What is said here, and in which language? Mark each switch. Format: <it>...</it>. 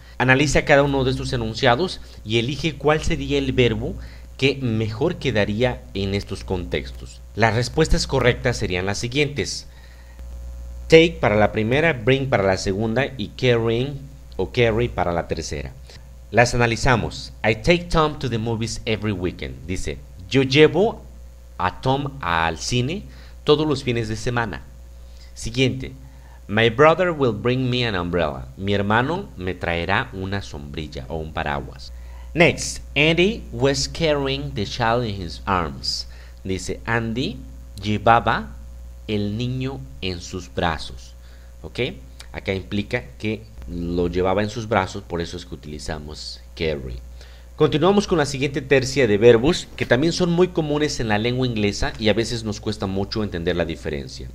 <es>Analiza cada uno de estos enunciados y elige cuál sería el verbo que mejor quedaría en estos contextos. Las respuestas correctas serían las siguientes: take para la primera, bring para la segunda y carrying o carry para la tercera. Las analizamos.</es> <en>I take Tom to the movies every weekend.</en> <es>Dice, yo llevo a Tom al cine todos los fines de semana. Siguiente.</es> <en>My brother will bring me an umbrella.</en> <es>Mi hermano me traerá una sombrilla o un paraguas.</es> <en>Next, Andy was carrying the child in his arms.</en> <es>Dice, Andy llevaba el niño en sus brazos. ¿Ok? Acá implica que lo llevaba en sus brazos, por eso es que utilizamos carry. Continuamos con la siguiente tercia de verbos, que también son muy comunes en la lengua inglesa y a veces nos cuesta mucho entender la diferencia.</es>